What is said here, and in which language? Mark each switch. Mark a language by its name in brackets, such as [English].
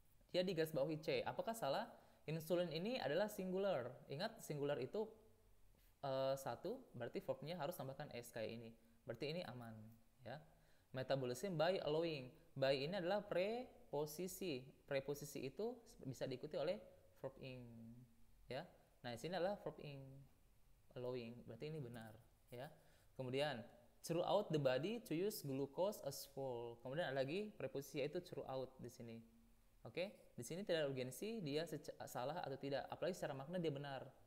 [Indonesian] Dia di garis bawahi C, apakah salah? Insulin ini adalah singular, ingat singular itu satu, berarti verbnya harus tambahkan S kayak ini. Berarti ini aman, ya. Metabolism by allowing. By ini adalah preposisi. Preposisi itu bisa diikuti oleh verb ing, ya. Nah, di sini adalah verb ing allowing. Berarti ini benar, ya. Kemudian [English] throughout the body to use glucose as fuel. [Indonesian] Kemudian ada lagi preposisi yaitu throughout di sini. Oke? Di sini tidak ada urgensi dia salah atau tidak. Apalagi secara makna dia benar.